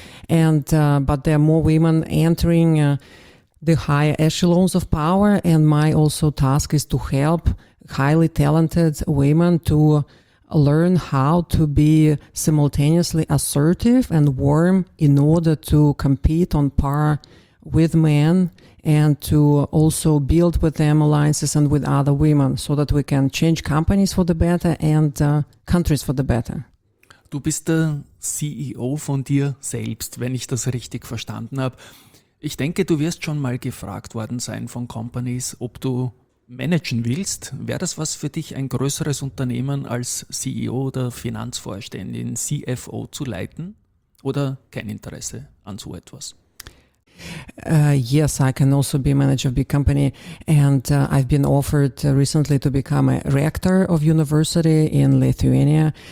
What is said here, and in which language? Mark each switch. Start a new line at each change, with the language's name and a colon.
English: But there are more women entering the higher echelons of power, and my also task is to help highly talented women to learn how to be simultaneously assertive and warm in order to compete on par with men, and to also build with them alliances and with other women so that we can change companies for the better and countries for the better.
German: Du bist der CEO von dir selbst, wenn ich das richtig verstanden habe. Ich denke, du wirst schon mal gefragt worden sein von Companies, ob du managen willst. Wäre das was für dich, ein größeres Unternehmen als CEO oder Finanzvorständin, CFO zu leiten? Oder kein Interesse an so etwas?
English: Yes, I can also be manager of a big company. And I've been offered recently to become a rector of university in Lithuania.